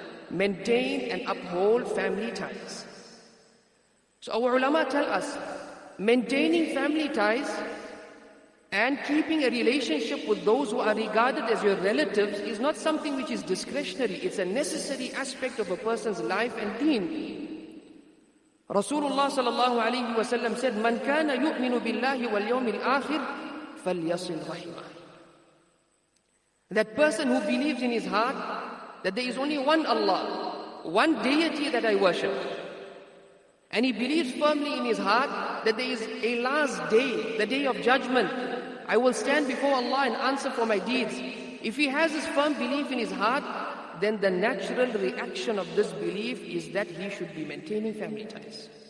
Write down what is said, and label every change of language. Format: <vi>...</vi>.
<en>Maintain and uphold family ties. So our ulama tell us, maintaining family ties and keeping a relationship with those who are regarded as your relatives is not something which is discretionary. It's a necessary aspect of a person's life and deen.</en> <ar>Rasulullah sallallahu alayhi wa sallam said, مَنْ كَانَ يُؤْمِنُ بِاللَّهِ وَالْيَوْمِ الْآخِرِ فَلْيَصِلْ رَحِمَهِ.</ar> <en>That person who believes in his heart that there is only one Allah, one deity that I worship. And he believes firmly in his heart that there is a last day, the day of judgment. I will stand before Allah and answer for my deeds. If he has this firm belief in his heart, then the natural reaction of this belief is that he should be maintaining family ties.</en>